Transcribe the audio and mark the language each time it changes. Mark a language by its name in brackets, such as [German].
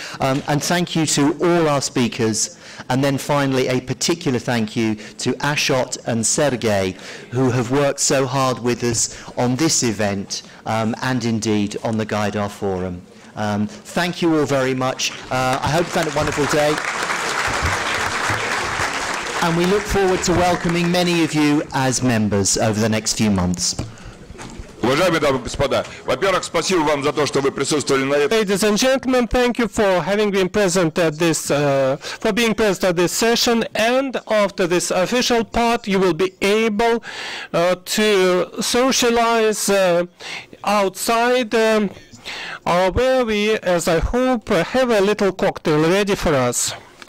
[English] And thank you to all our speakers. And then finally, a particular thank you to Ashot and Sergey, who have worked so hard with us on this event and indeed on the Gaidar Forum. Thank you all very much. I hope you've had a wonderful day. And we look forward to welcoming many of you as members over the next few months. [Russian] Уважаемые дамы и господа, во-первых, спасибо вам за то, что вы присутствовали на этом. [English] Ladies and gentlemen, thank you for having been present at this, for being present at this session. And after this official part, you will be able to socialize outside, where we, as I hope, have a little cocktail ready for us.